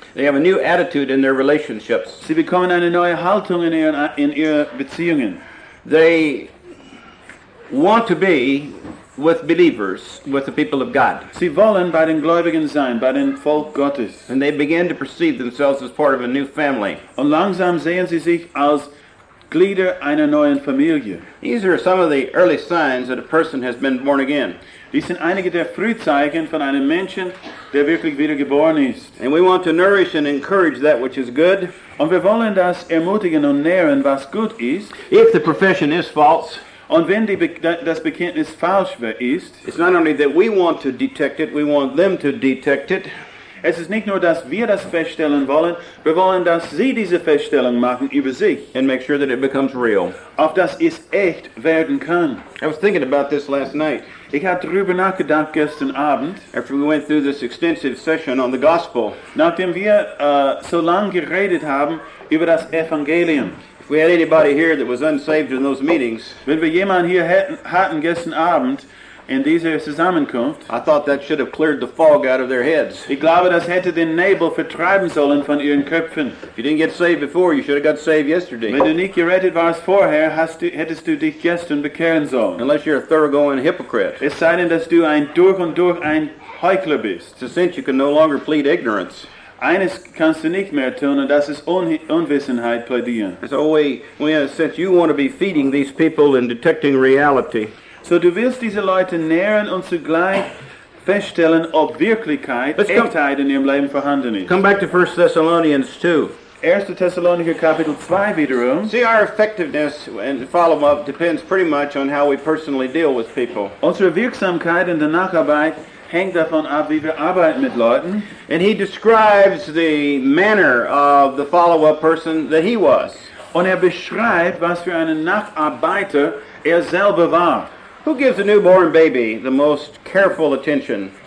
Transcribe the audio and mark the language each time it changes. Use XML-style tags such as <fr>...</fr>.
<en>They have a new attitude in their relationships.</en> <de>Sie bekommen eine neue Haltung in ihren Beziehungen.</de> <en>They want to be with believers, with the people of God.</en> <de>Sie wollen bei den Gläubigen sein, bei den Volk Gottes.</de> <en>And they begin to perceive themselves as part of a new family.</en> <de>Und langsam sehen sie sich als Glieder einer neuen Familie.</de> <en>These are some of the early signs that a person has been born again.</en> <de>Dies sind einige der Frühzeichen von einem Menschen, der wirklich wiedergeboren ist.</de> <en>And we want to nourish and encourage that which is good.</en> <de>Und wir wollen das ermutigen und nähren, was gut ist.</de> <en>If the profession is false.</en> <de>Und wenn das Bekenntnis falsch ist.</de> <en>It's not only that we want to detect it, we want them to detect it.</en> <de>Es ist nicht nur, dass wir das feststellen wollen, wir wollen, dass sie diese Feststellung machen über sich.</de> <en>And make sure that it becomes real.</en> <de>Auf dass es echt werden kann.</de> <en>I was thinking about this last night.</en> <de>Ich habe darüber nachgedacht gestern Abend.</de> <en>After we went through this extensive session on the gospel.</en> <de>Nachdem wir so lange geredet haben über das Evangelium.</de> <en>If we had anybody here that was unsaved in those meetings.</en> <de>Wenn wir jemanden hier hatten gestern Abend, in dieser Zusammenkunft,</de> <en>I thought that should have cleared the fog out of their heads.</en> <de>Ich glaube, das hätte den Nebel vertreiben sollen von ihren Köpfen.</de> <en>If you didn't get saved before, you should have got saved yesterday.</en> <de>Wenn du nicht gerettet warst vorher, hättest du dich gestern bekehren sollen.</de> <en>Unless you're a thoroughgoing hypocrite.</en> <de>Es sei denn, dass du ein durch und durch ein Heuchler bist.</de> <en>It's a sense you can no longer plead ignorance.</en> <de>Eines kannst du nicht mehr tun, und das ist Unwissenheit plädieren.</de> <en>So we, in a sense, you want to be feeding these people and detecting reality.</en> <de>So du willst diese Leute nähren und zugleich feststellen, ob Wirklichkeit, Echtheit in ihrem Leben vorhanden ist.</de> <en>Come back to 1 Thessalonians 2.</en> <de>1. Thessalonicher Kapitel 2 wiederum.</de> <en>See, our effectiveness and follow-up depends pretty much on how we personally deal with people.</en> <de>Unsere Wirksamkeit in der Nacharbeit hängt davon ab, wie wir arbeiten mit Leuten.</de> <en>And he describes the manner of the follow-up person that he was.</en> <de>Und er beschreibt, was für einen Nacharbeiter er selber war.</de> <en>Who gives a newborn baby the most careful attention?</en>